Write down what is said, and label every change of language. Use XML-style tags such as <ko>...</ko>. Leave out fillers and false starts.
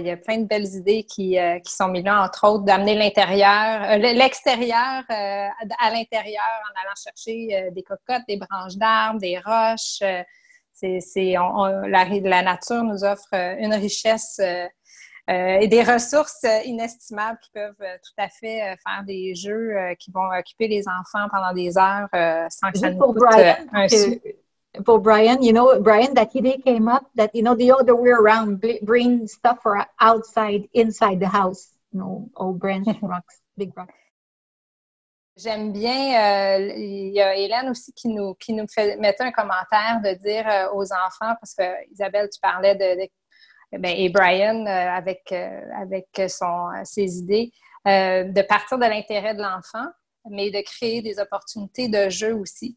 <fr>Il y a plein de belles idées qui sont mises là, entre autres, d'amener l'extérieur à l'intérieur en allant chercher des cocottes, des branches d'arbres, des roches. La nature nous offre une richesse et des ressources inestimables qui peuvent tout à fait faire des jeux qui vont occuper les enfants pendant des heures sans que ça nous coûte un sou.</fr> <en>For Brian, you know, Brian, that idea came up that, you know, the other way around, bring stuff for outside, inside the house, you know, old branch rocks, big rocks.</en> <fr>J'aime bien, il y a Hélène aussi qui nous mettait un commentaire de dire aux enfants, parce que Isabelle, tu parlais de ben, et Brian avec ses idées, de partir de l'intérêt de l'enfant, mais de créer des opportunités de jeu aussi.</fr>